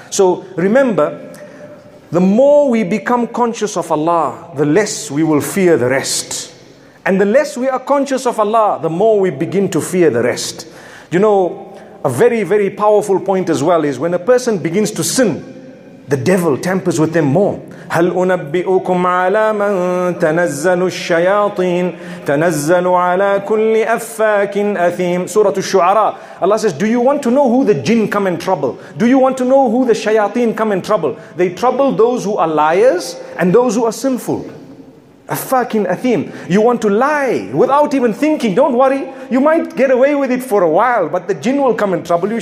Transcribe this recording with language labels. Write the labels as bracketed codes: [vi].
[en] So remember, the more we become conscious of Allah, the less we will fear the rest. And the less we are conscious of Allah, the more we begin to fear the rest. You know, a very, very powerful point as well is when a person begins to sin, the devil tampers with them more. [ar] هل أنبئكم على من تنزل الشياطين تنزل على كل أفاك أثيم. سورة الشعراء. [en] Allah says, do you want to know who the jinn come in trouble? Do you want to know who the shayateen come in trouble? They trouble those who are liars and those who are sinful. A fucking athim. You want to lie without even thinking. Don't worry. You might get away with it for a while, but the jinn will come and trouble you.